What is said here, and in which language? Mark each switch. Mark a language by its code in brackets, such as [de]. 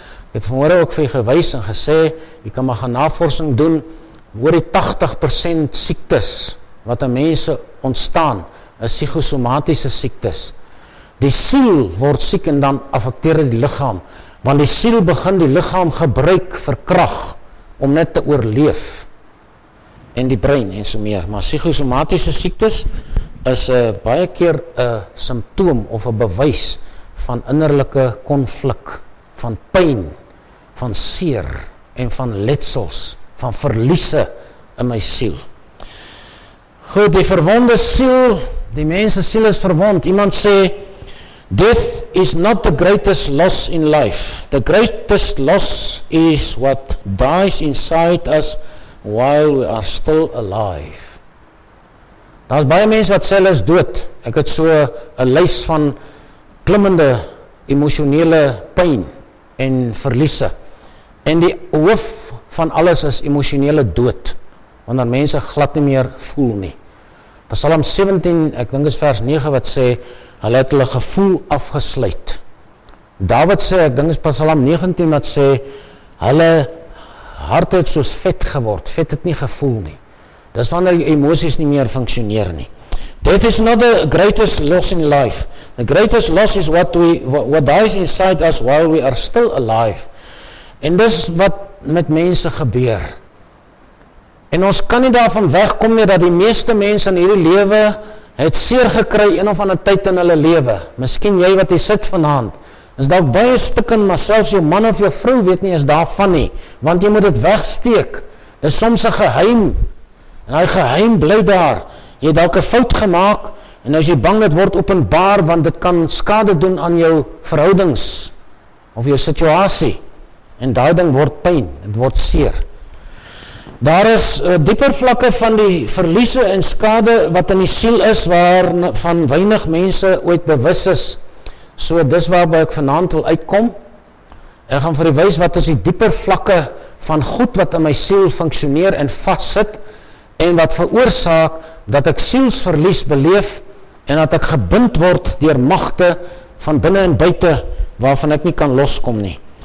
[af] Ek het vanmorgen ook vir jy gewys en gesê, jy kan maar gaan navorsing doen, oor die 80% siektes wat een mense ontstaan, is psychosomatiese siektes. Die siel word siek en dan affekteer die lichaam, want die siel begin die lichaam gebruik vir krag om net te oorleef en die brein en so meer. Maar psychosomatiese siektes is baie keer een symptoom of een bewys van innerlijke konflik, van pijn, van seer en van letsels, van verliese in my siel. Goed, die verwonde siel, die mens se siel is verwond. Iemand sê, [en] death is not the greatest loss in life. The greatest loss is what dies inside us while we are still alive. [af] Daar is baie mense wat sê hulle is dood. Ek het so 'n lys van klimmende emosionele pyn en verliese. En die hoof van alles is emosionele dood, wanneer mense glad nie meer voel nie. Psalm 17, ek dink is vers 9 wat sê, hulle het hulle gevoel afgesluit. David sê, ek dink is Psalm 19 wat sê, hulle hart het soos vet geword, vet het nie gevoel nie. Dis wanneer die emosies nie meer funksioneer nie. [en] Death is not the greatest loss in life. The greatest loss is what dies inside us while we are still alive. [af] En dis wat met mense gebeur. En ons kan nie daarvan wegkom nie dat die meeste mense in hierdie lewe het seer gekry een of ander tyd in hulle lewe. Miskien jy wat hier sit vanaand, Is dalk baie stikken, maar selfs jou man of jou vrou weet nie, is daarvan nie. Want jy moet dit wegsteek. Is soms 'n geheim. En hy geheim bly daar. Jy het dalk 'n fout gemaak, en as jy bang dit word openbaar, want dit kan skade doen aan jou verhoudings, of jou situasie. En daai ding word pyn, dit word seer. Daar is dieper vlakke van die verliese en skade wat in die siel is, waar van weinig mense ooit bewus is. So dis waarby ek vanaand wil uitkom. Ek gaan vir u wys wat is die dieper vlakke van goed wat in my siel funksioneer en vaszit en wat veroorsaak dat ek sielsverlies beleef en dat ek gebind word deur magte van binne en buite waarvan ek nie kan loskom nie.